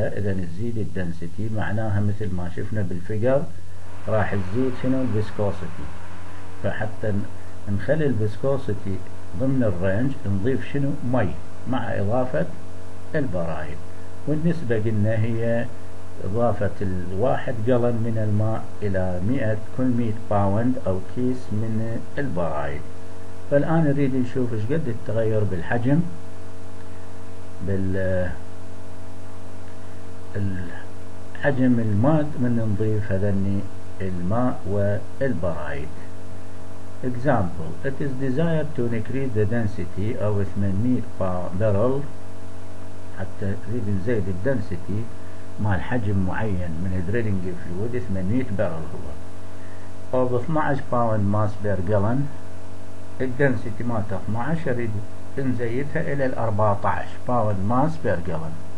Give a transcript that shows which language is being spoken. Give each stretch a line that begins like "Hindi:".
Arabic: إذا نزيد الدنسيتي معناها مثل ما شفنا بالفيجر راح تزيد شنو الفيسكوسيتي، فحتى نخلي الفيسكوسيتي ضمن الرينج نضيف شنو مي مع إضافة البرايد، والنسبة قلنا هي إضافة الواحد جالون من الماء إلى 100 كل 100 باوند أو كيس من البرايد. فالآن نريد نشوف إيش قد التغير بالحجم الحجم الماد من نضيف هذني الماء والبرايد.
English: Example: It is desired to increase the density of 800 barrel.
Arabic: حتى نريد نزيد الدنسيتي مع الحجم معين من الدريلينج فلويد 800 بارل هو أو 12 باوند ماس بير جالون. الدنسيتي مالته 12 اريد نزيدها الى ال 14 باوند ماس بير جالون.